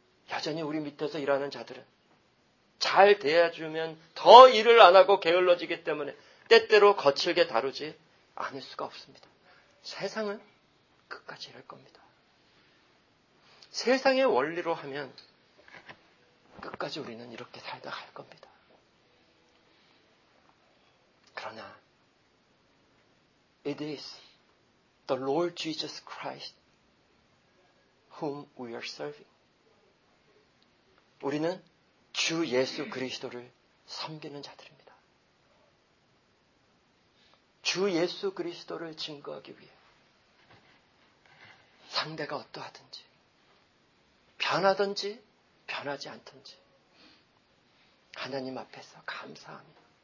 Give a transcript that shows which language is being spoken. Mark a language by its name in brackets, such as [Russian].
[Korean] 여전히 우리 밑에서 일하는 자들은 잘 대해주면 더 일을 안 하고 게을러지기 때문에 때때로 거칠게 다루지 않을 수가 없습니다. 세상은 끝까지 이럴 겁니다. 세상의 원리로 하면 끝까지 우리는 이렇게 살다 갈 겁니다. 그러나 [English] It is the Lord Jesus Christ whom we are serving. [Korean] 우리는 주 예수 그리스도를 섬기는 자들입니다. 주 예수 그리스도를 증거하기 위해 상대가 어떠하든지 변하든지 변하지 않든지 하나님 앞에서 감사합니다.